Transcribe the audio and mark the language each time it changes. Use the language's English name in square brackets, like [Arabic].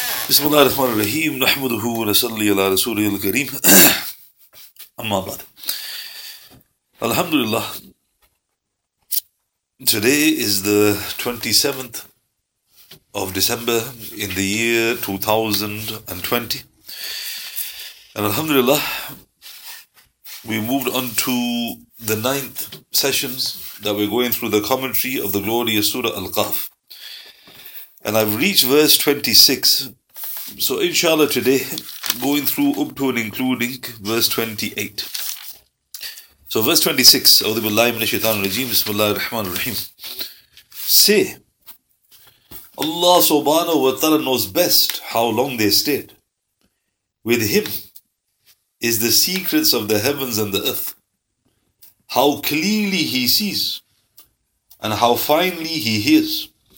[Arabic] بسم الله الرحمن الرحيم نحمده ونصلي على رسوله الكريم أما بعد الحمد لله. [English] Today is the 27th of December in the year 2020. And Alhamdulillah, we moved on to the ninth sessions that we're going through the commentary of the glorious Surah Al-Kahf. And I've reached verse 26. So inshallah today, going through up to and including verse 28. So verse 26, [Arabic] أعوذ بالله من الشيطان الرجيم بسم الله الرحمن الرحيم. [English] Say, Allah subhanahu wa ta'ala knows best how long they stayed. With Him is the secrets of the heavens and the earth. How clearly He sees and how finely He hears.